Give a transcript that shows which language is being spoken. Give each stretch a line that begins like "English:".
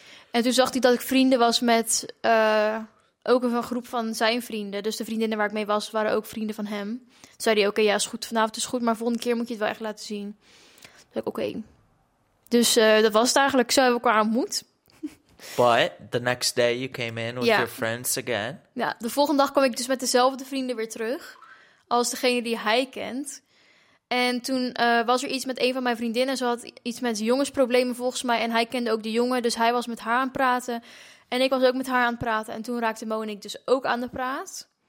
Dutch: En toen zag hij dat ik vrienden was met ook een groep van zijn vrienden. Dus de vriendinnen waar ik mee was, waren ook vrienden van hem. Toen zei hij, oké, ja, is goed. Vanavond is goed, maar volgende keer moet je het wel echt laten zien. Toen zei ik, oké. Dus dat was het eigenlijk. Zo hebben we elkaar ontmoet.
English: But the next day you came in with your friends again.
Dutch: Ja, de volgende dag kwam ik dus met dezelfde vrienden weer terug. Als degene die hij kent. En toen was er iets met een van mijn vriendinnen. Ze had iets met jongensproblemen volgens mij. En hij kende ook de jongen. Dus hij was met haar aan het praten. En ik was ook met haar aan het praten. En toen raakte Mo en ik dus ook aan de praat.